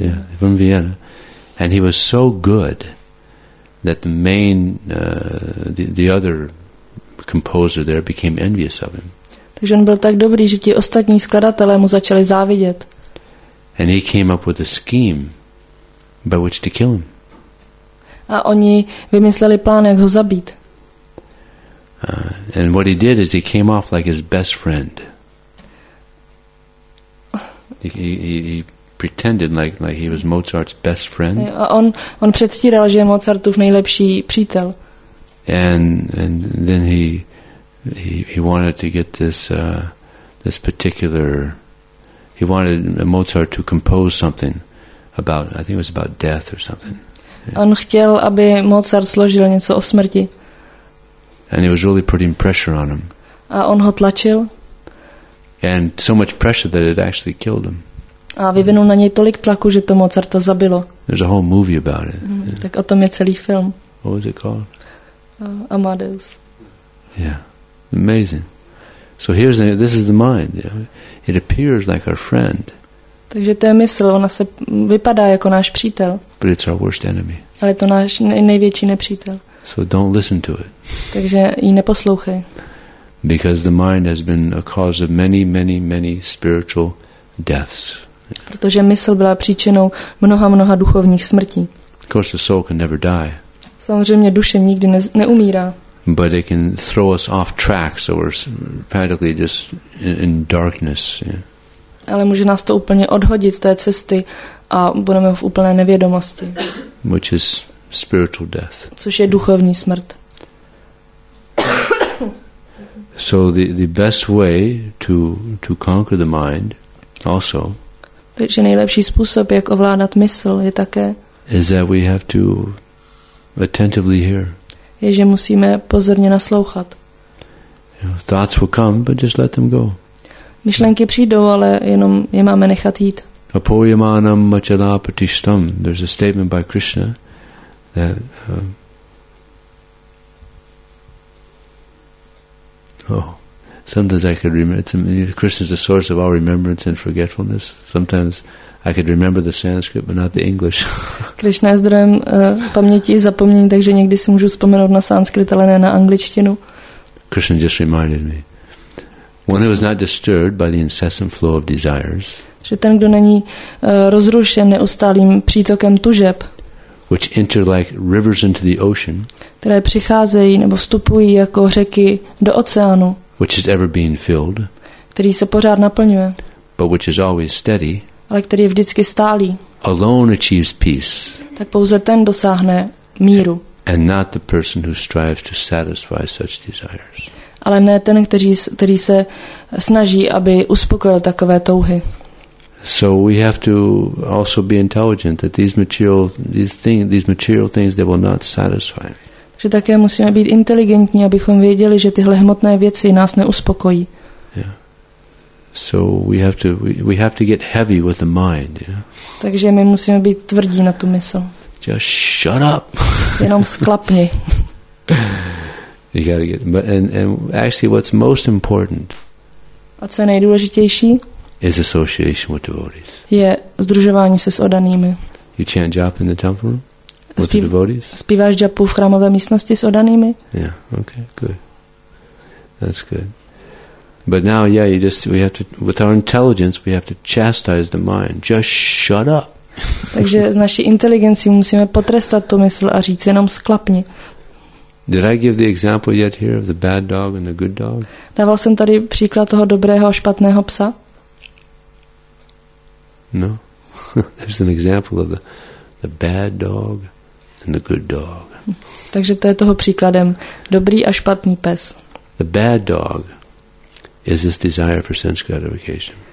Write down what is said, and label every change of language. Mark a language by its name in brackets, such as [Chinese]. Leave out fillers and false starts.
[English] Yeah, from Vienna, and he was so good that the main the other composer there became envious of him. [Czech] Takže on byl tak dobrý, že ti ostatní skladatelé mu začali závidět. [English] And he came up with a scheme by which to kill him. [Czech] A oni vymysleli plán, jak ho zabít. [English] And what he did is he came off like his best friend. He pretended like he was Mozart's best friend. [Czech] A on předstíral, že je Mozartův nejlepší přítel. [English] And then he wanted to get this this particular. He wanted Mozart to compose something about, I think it was about death or something. Yeah. [Czech] On chtěl, aby Mozart složil něco o smrti. [English] And he was really putting pressure on him. [Czech] A on ho tlačil. [English] And so much pressure that it actually killed him. [Czech] A vyvinul na něj tolik tlaku, že to Mozarta zabilo. [English] There's a whole movie about it. Mm, [Czech] yeah. Tak o tom je celý film. [English] What was it called? Amadeus. Yeah, amazing. So here's this is the mind. Yeah. It appears like our friend. [Czech] Takže to je mysl, ona se vypadá jako náš přítel. [English] But it's our worst enemy. [Czech] Ale to náš největší nepřítel. [English] So don't listen to it. [Czech] Takže ji neposlouchej. [English] Because the mind has been a cause of many, many, many spiritual deaths. [Czech] Protože mysl byla příčinou mnoha, mnoha duchovních smrtí. [English] Of course, the soul can never die. [Czech] Samozřejmě duše nikdy neumírá. [English] But it can throw us off track, so we're practically just in darkness. [Czech] Ale může nás to úplně odhodit z té cesty a budeme v úplné nevědomosti. [English] Which is spiritual death. [Czech] Což je duchovní smrt. [English] So the best way to conquer the mind also. [Czech] Takže nejlepší způsob, jak ovládat mysl, je také. [English] Is that we have to attentively hear. [Czech] Je, že musíme pozorně naslouchat. [English] Thoughts will come, but just let them go. [Czech] Myšlenky přijdou, ale jenom je máme nechat jít. [Sanskrit] Apoyamanam machala patishtam. [English] There's a statement by Krishna that sometimes I could remember. Krishna is the source of all remembrance and forgetfulness. Sometimes I could remember the Sanskrit, but not the English. [Czech] Krishna je zdrojem paměti i zapomnění, takže někdy si můžu vzpomenout na sanskrit, ale ne na angličtinu. [English] Krishna just reminded me. One who is not disturbed by the incessant flow of desires. [Czech] Že ten, kdo není rozrušen neustálým přítokem tužeb. [English] Which enter like rivers into the ocean. [Czech] Které přicházejí nebo vstupují jako řeky do oceánu. [English] Which is ever being filled. [Czech] Který se pořád naplňuje. [English] But which is always steady. [Czech] Ale který je vždycky stálý. [English] Alone achieves peace. [Czech] Tak pouze ten dosáhne míru. [English] And not the person who strives to satisfy such desires. [Czech] Ale ne ten, který se snaží, aby uspokojil takové touhy. [English] So we have to also be intelligent that these material things they will not satisfy. [Czech] Že také musíme být inteligentní, abychom věděli, že tyhle hmotné věci nás neuspokojí. [English] Yeah. So we have to get heavy with the mind, [Czech] Takže my musíme být tvrdí na tu mysl. [English] Just shut up. [Czech] Jenom sklapni. [English] You gotta get, but and actually what's most important? [Czech] A co je nejdůležitější? [English] Is association with devotees. [Czech] Je sdružování se s oddanými. [English] You chant japa in the temple room with the devotees. [Czech] Zpíváš japu v chrámové místnosti s oddanými? [English] Yeah. Okay. Good. That's good. But now, yeah, you just we have to with our intelligence we have to chastise the mind. Just shut up. [Czech] Takže s naší inteligencí musíme potrestat tu mysl a říct jenom sklapni. [English] Did I give the example yet here of the bad dog and the good dog? [Czech] Dával jsem tady příklad toho dobrého a špatného psa. [English] No. There's an example of the bad dog and the good dog. [Czech] Takže to je toho příkladem dobrý a špatný pes. [English] The bad dog is this desire for sense gratification.